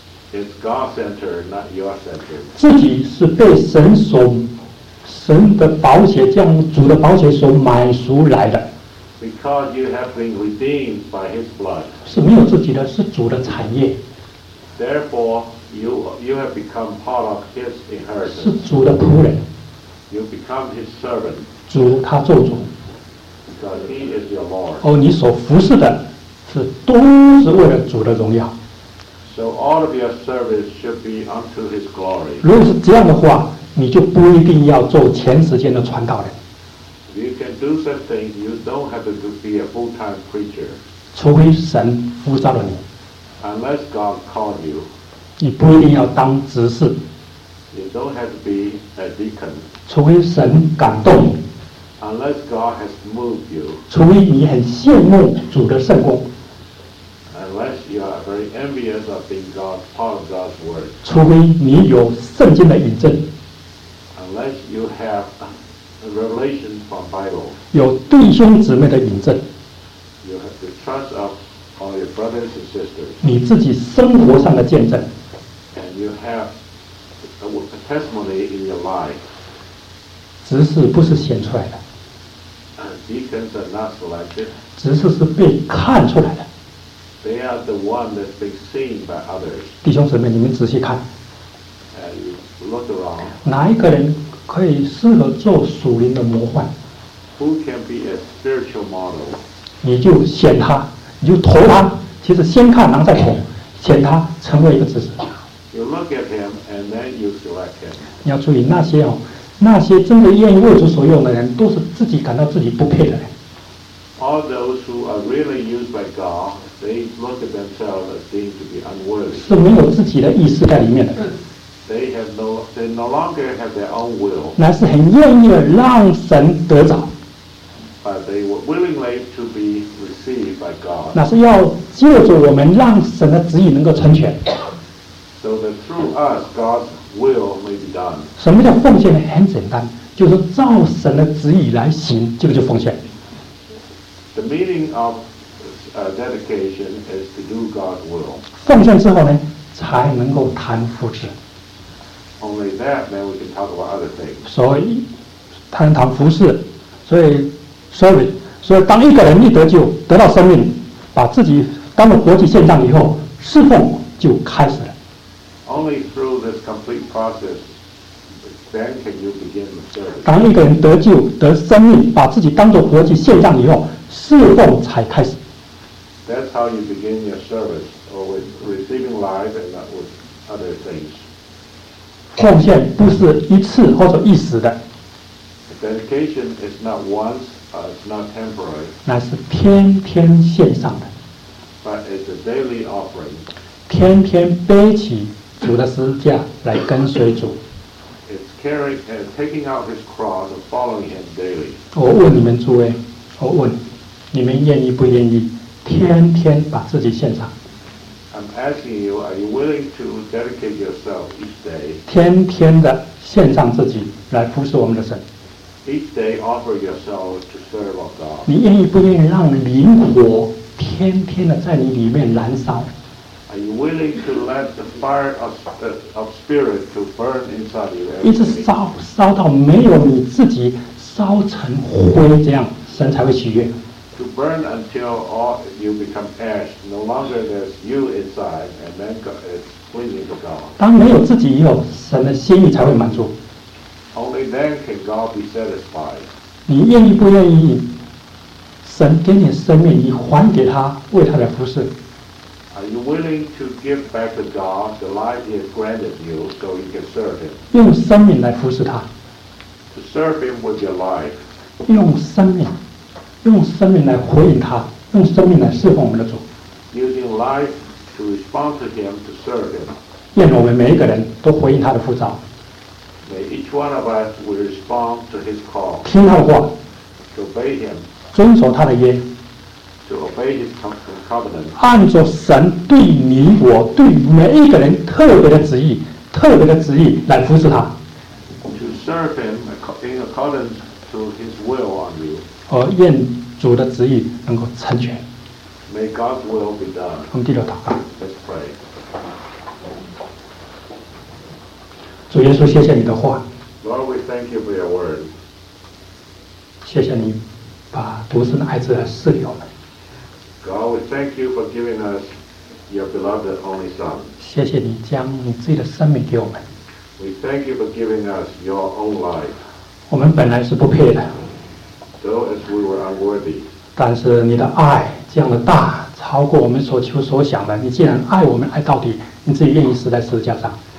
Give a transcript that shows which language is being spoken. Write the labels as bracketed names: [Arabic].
[English] It's God center, not your center. [Chinese] 自己是被神的宝血，这样主的宝血所买赎来的。 [English] Because you have been redeemed by His blood. [Chinese] 是没有自己的，是主的产业。 [English] Therefore, you have become part of His inheritance. [Chinese] 是主的仆人。 [English] You become His servant. [Chinese] 主他做主。 [English] Because He is your Lord. [Chinese] 哦，你所服侍的是都是为了主的荣耀。 [English] So all of your service should be unto His glory. [Chinese] 如果是这样的话，你就不一定要做全时间的传道人。 [English] You can do such things. You don't have to be a full-time preacher. [Chinese] 除非神呼召了你。 [English] Unless God called you. [Chinese] 你不一定要当执事。 [English] You don't have to be a deacon. [Chinese] 除非神感动你。 [English] Unless God has moved you. [Chinese] 除非你很羡慕主的圣功。 [English] Unless you are very envious of being God, part of God's word. [Chinese] 除非你有圣经的引证。 [English] Unless you have a revelation from Bible. [Chinese] 有弟兄姊妹的引证。 [English] You have the trust of all your brothers and sisters. [Chinese] 你自己生活上的见证。 [English] And you have a testimony in your life. [Chinese] 执事不是显出来的。 [English] Deacons are not selected. [Chinese] 执事是被看出来的。 [English] They are the one that's been seen by others. [Chinese] 弟兄姊妹，你们仔细看。 [English] Look around. [Chinese] 哪一个人可以适合做属灵的模范 [English] ？Who can be a spiritual model? [Chinese] 你就选他，你就投他。其实先看，然后再投。选他成为一个执事。 [English] You look at him and then you select him. [Chinese] 你要注意那些哦，那些真的愿意为主所用的人，都是自己感到自己不配的人。 [English] All those who are really used by God, they look at themselves as deemed to be unworthy. [Chinese] 是没有自己的意识在里面的。 [English] They no longer have their own will. [Chinese] 乃是很愿意的让神得着。 [English] But they were willingly to be received by God. [Chinese] 那是要借着我们让神的旨意能够成全。 [English] So that through us, God's will may be done. [Chinese] 什么叫奉献呢？很简单，就是照神的旨意来行，这个就奉献。 [English] The meaning of dedication is to do God's will. [Chinese] 奉献之后呢，才能够谈福祉。 [English] Only that, then we can talk about other things. [Chinese] 所以，谈服事，所以 service， 所以当一个人一得救，得到生命，把自己当做活祭献上以后，侍奉就开始了。 [English] Only through this complete process, then can you begin the service. [Chinese] 当一个人得救得生命，把自己当做活祭献上以后，侍奉才开始。 [English] That's how you begin your service, or with receiving life and not with other things. [Chinese] 奉献不是一次或者一时的 [English] ，dedication is not once, it's not temporary， [Chinese] 乃是天天献上的 [English] ，but it's a daily offering， [Chinese] 天天背起主的十字架来跟随主 [English] ，it's carrying and taking out his cross and following him daily。 [Chinese] 我问你们诸位，我问，你们愿意不愿意天天把自己献上？ [English] I'm asking you, are you willing to dedicate yourself each day? [Chinese] 天天的献上自己来服侍我们的神。 [English] Each day, offer yourself to serve our God. [Chinese] 你愿意不愿意让灵火天天的在你里面燃烧？ [English] Are you willing to let the fire of spirit to burn inside you? [Chinese] 一直烧到没有你自己烧成灰这样，神才会喜悦。 [English] To burn until all you become ash, no longer there's you inside, and then it's pleasing to God. [Chinese] 当没有自己以后，神的心意才会满足。 [English] Only then can God be satisfied. [Chinese] 你愿意不愿意？神给你生命，你还给他，为他来服侍。 [English] Are you willing to give back to God the life He has granted you, so you can serve Him? [Chinese] 用生命来服侍他。 [English] To serve Him with your life. [Chinese] 用生命。用生命来回应他，用生命来侍奉我们的主。 [English] Using life to respond to him, to serve him. [Chinese] 愿我们每一个人都回应他的呼召。 [English] May each one of us will respond to his call. [Chinese] 听他的话。 [English] To obey him. [Chinese] 遵守他的约。 [English] To obey his covenant. [Chinese] 按照神对你我对每一个人特别的旨意，特别的旨意来服侍他。 [English] To serve him in accordance to his will on you. [Chinese] 而愿主的旨意能够成全。 [English] May God's will be done. [Chinese] 我们低头祷告。 [English] Let's pray. [Chinese] 主耶稣，谢谢你的话。 [English] Lord, we thank you for your word. [Chinese] 谢谢你把独生爱子赐给我们。 [English] God, we thank you for giving us your beloved only Son. [Chinese] 谢谢你将你自己的生命给我们。 [English] We thank you for giving us your own life. [Chinese] 我们本来是不配的。 [English] Though as we were unworthy, [Chinese] 但是你的爱这样的大，超过我们所求所想的。你既然爱我们爱到底，你自己愿意死在十字架上。